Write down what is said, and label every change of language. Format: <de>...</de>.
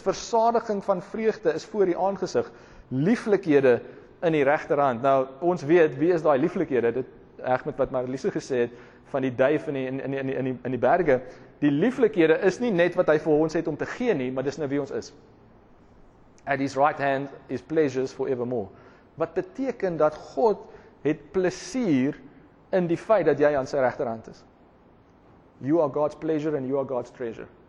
<af>Versadiging van vreugde is voor die aangesig. Lieflikhede in die regterhand. Nou, ons weet, wie is daai lieflikhede? Dit reg met wat Marliese gesê het, van die duif in die berge. Die lieflikhede is nie net wat hy vir ons het om te gee nie, maar dis nou wie ons is.</af> <en>At his right hand is pleasures forevermore.</en> <af>Wat beteken dat God het plesier in die feit dat jy aan sy regterhand is.</af> <en>You are God's pleasure and you are God's treasure.</en>